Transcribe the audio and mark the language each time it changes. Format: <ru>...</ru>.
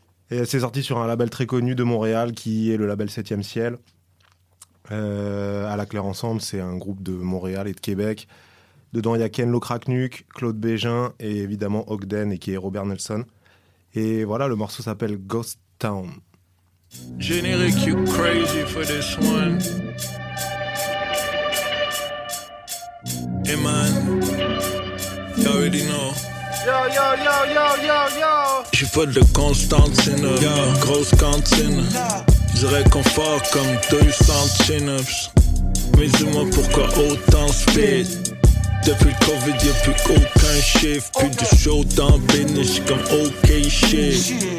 <fr>Et c'est sorti sur un label très connu de Montréal, qui est le label 7e Ciel. À la Claire Ensemble, c'est un groupe de Montréal et de Québec. Dedans, il y a Ken Locracknuck, Claude Bégin, et évidemment Ogden, et qui est Robert Nelson. Et voilà, le morceau s'appelle Ghost Town.</fr> <en>Generic, you crazy for this one. Hey man, you already know. Yo.</en> <fr>J'suis pas de Constantine, grosse cantine. Du réconfort comme 200 chin-ups. Mais dis-moi pourquoi autant speed. Depuis le Covid, y'a plus aucun chiffre. Plus de show dans Bénich comme OK shit.</fr>